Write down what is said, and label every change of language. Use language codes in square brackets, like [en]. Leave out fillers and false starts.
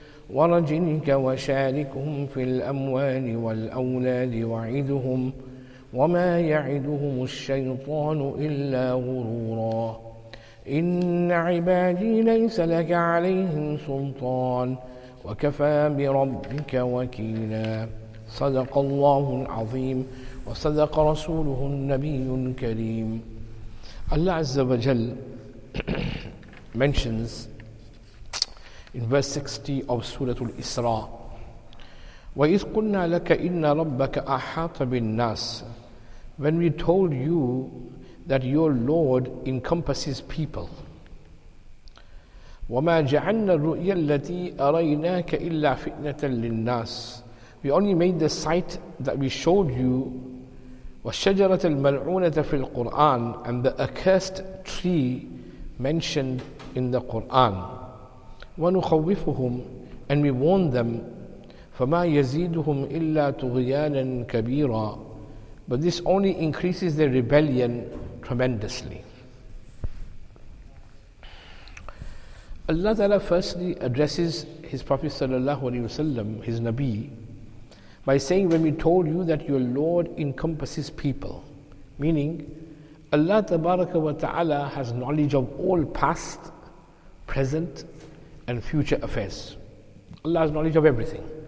[ar] ورجلك وشاركهم في الأموال والأولاد وعدهم وما يعدهم الشيطان إلا غرورا إن عبادي ليس لك عليهم سلطان وكفى بربك وكيلا صدق الله العظيم وصدق رسوله النبي الكريم. الله عز وجل [en] mentions in verse 60 of Surah Al-Isra [ar] وَإِذْ قُلْنَا لَكَ إِنَّ رَبَّكَ أَحَاطَ بِالنَّاسِ. [en] When we told you that your Lord encompasses people. [ar] وَمَا جَعَلْنَا الرُّؤْيَا الَّتِي أَرَيْنَاكَ إِلَّا فِتْنَةً لِلنَّاسِ. [en] We only made the sight that we showed you, [ar] وَالشَّجَرَةَ الْمَلْعُونَةَ فِي الْقُرْآنِ, [en] and the accursed tree mentioned in the Qur'an. [ar] وَنُخَوِّفُهُمْ, [en] and we warned them, [ar] فَمَا يَزِيدُهُمْ إِلَّا تُغْيَانًا كَبِيرًا. [en] But this only increases their rebellion tremendously. Allah Ta'ala firstly addresses His Prophet Sallallahu Alaihi Wasallam, His Nabi, by saying, when we told you that your Lord encompasses people, meaning Allah Tabaraka wa Ta'ala has knowledge of all past, present and future affairs. Allah has knowledge of everything.